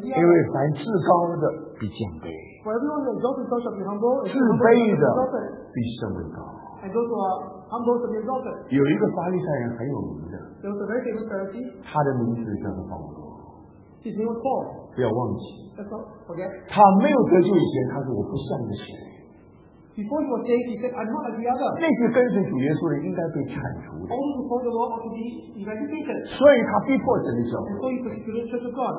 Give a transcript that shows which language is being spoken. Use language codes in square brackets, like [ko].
[zh] 因为凡至高的比降卑，自卑的比升为高。有一个法利赛人很有名的，他的名字叫做保罗。 [en] His name was Paul. [zh] 不要忘记。 [en] Let's not forget. [zh] 他没有得救以前，他说我不像那些。 [en] Before he was saved, he said, "I'm not like the other." [zh] 那些跟随主耶稣的应该被铲除的。 [en] All who follow the law ought to be eradicated. [zh] 所以他逼迫整个教会。 [en] And so he persecuted the church of God.